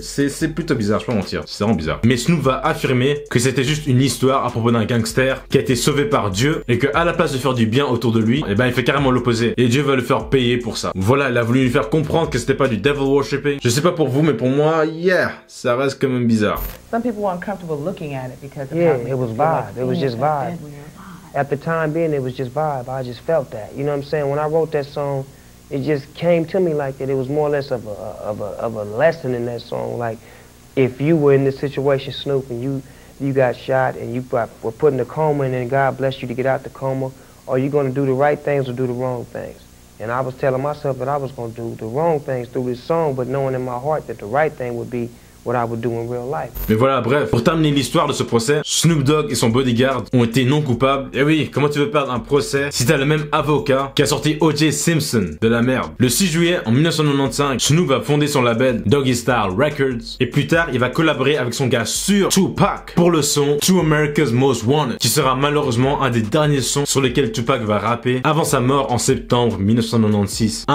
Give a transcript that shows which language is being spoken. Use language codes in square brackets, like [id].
[fr] C'est plutôt bizarre, je peux pas mentir. C'est vraiment bizarre. Mais Snoop va affirmer que c'était juste une histoire à propos d'un gangster qui a été sauvé par Dieu et que à la place de faire du bien autour de lui, et ben il fait carrément l'opposé. Et Dieu va le faire payer pour ça. Voilà, il a voulu lui faire comprendre que c'était pas du devil worshipping. Je sais pas pour vous, mais pour moi, yeah, ça reste quand même bizarre. [en] Some people were uncomfortable looking at it because yeah, it was vibe. It was just vibe. At the time being, it was just vibe. I just felt that. You know what I'm saying? When I wrote that song, it just came to me like that. It was more or less of a lesson in that song. Like, if you were in this situation, Snoop, and you got shot and you were put in a coma and then God blessed you to get out the coma, are you going to do the right things or do the wrong things? And I was telling myself that I was going to do the wrong things through this song, but knowing in my heart that the right thing would be what I would do in real life. [fr] Mais voilà, bref, pour terminer l'histoire de ce procès, Snoop Dogg et son bodyguard ont été non coupables. Et oui, comment tu veux perdre un procès si t'as le même avocat qui a sorti O.J. Simpson de la merde. Le 6 juillet 1995, Snoop va fonder son label Doggy Style Records. Et plus tard, il va collaborer avec son gars sûr, Tupac, pour le son To America's Most Wanted, qui sera malheureusement un des derniers sons sur lesquels Tupac va rapper avant sa mort en septembre 1996.